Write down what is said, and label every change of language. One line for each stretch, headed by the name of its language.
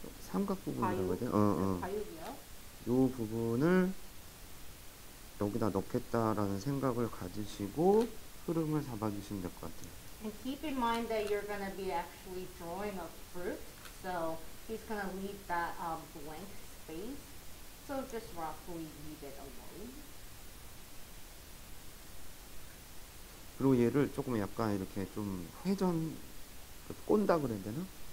Korean: 삼각 부분이라고 해야 되나? 요 부분을 여기다 넣겠다라는 생각을 가지시고 흐름을 잡아주시면 될 것 같아요.
English: And keep in mind that you're gonna be actually drawing a fruit, so he's gonna leave that blank space. So just roughly leave it alone.
Korean: 그리고 얘를 조금 약간 이렇게 좀 회전 꼰다 그래야 되나?